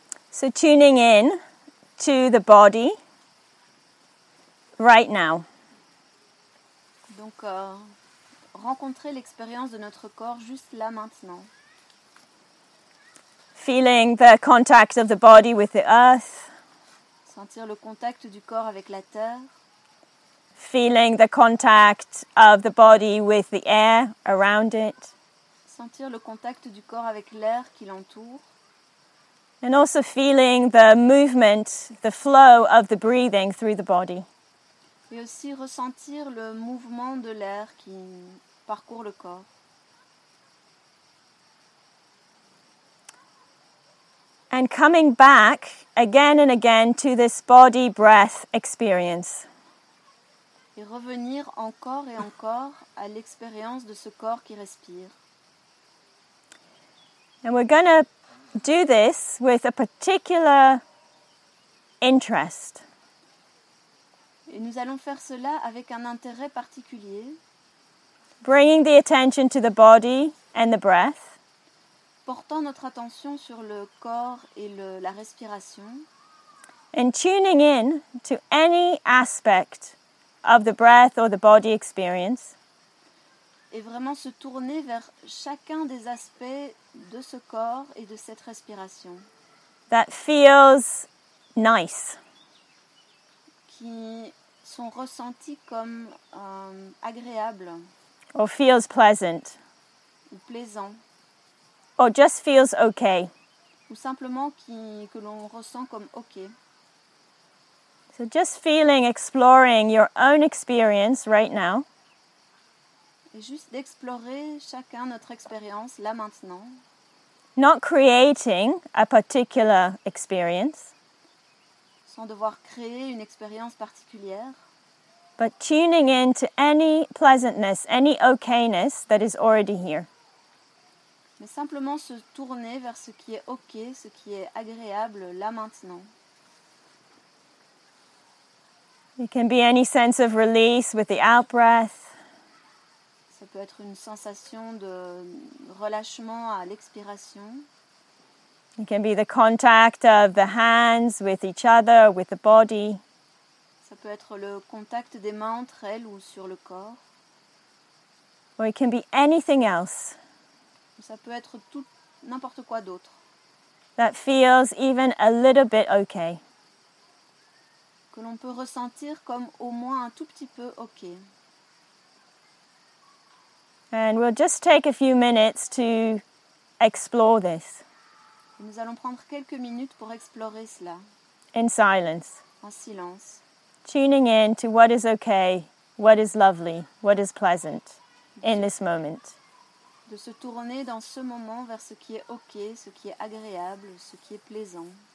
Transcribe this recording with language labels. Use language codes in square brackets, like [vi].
[en] So tuning in to the body right now. [fr] Donc rencontrer l'expérience de notre corps juste là maintenant. [en] Feeling the contact of the body with the earth. [fr] Sentir le contact du corps avec la terre. [en] Feeling the contact of the body with the air around it. [fr] Sentir le contact du corps avec l'air qui l'entoure. [en] And also feeling the movement, the flow of the breathing through the body. [fr] Et aussi ressentir le mouvement de l'air qui parcourt le corps. [en] And coming back again and again to this body breath experience. [fr] Et revenir encore et encore à l'expérience de ce corps qui respire. [en] And we're gonna do this with a particular interest. [fr] Et nous allons faire cela avec un intérêt particulier. [en] Bringing the attention to the body and the breath. [fr] Portant notre attention sur le corps et la respiration. [en] And tuning in to any aspect of the breath or the body experience. [fr] Et vraiment se tourner vers chacun des aspects de ce corps et de cette respiration. [en] That feels nice. [fr] Qui sont ressentis comme agréables. [en] Or feels pleasant. [fr] Ou plaisant. [en] Or just feels okay. [fr] Ou simplement que l'on ressent comme okay. [en] So just feeling, exploring your own experience right now. [fr] Et juste d'explorer chacun notre expérience là maintenant. [en] Not creating a particular experience. [fr] Sans devoir créer une expérience particulière. [en] But tuning in to any pleasantness, any okayness that is already here. [fr] Mais simplement se tourner vers ce qui est ok, ce qui est agréable là maintenant. [en] It can be any sense of release with the out-breath. [fr] Ça peut être une sensation de relâchement à l'expiration. [en] It can be the contact of the hands with each other, with the body. [fr] Ça peut être le contact des mains entre elles ou sur le corps. [en] Or it can be anything else. [fr] Ça peut être tout n'importe quoi d'autre. [en] That feels even a little bit okay. [fr] Que l'on peut ressentir comme au moins un tout petit peu okay. [en] And we'll just take a few minutes to explore this. [fr] Nous allons prendre quelques minutes pour explorer cela. [en] In silence. [fr] En silence. [en] Tuning in to what is okay, what is lovely, what is pleasant in this moment. [fr] De se tourner dans ce moment vers ce qui est okay, ce qui est agréable, ce qui est plaisant.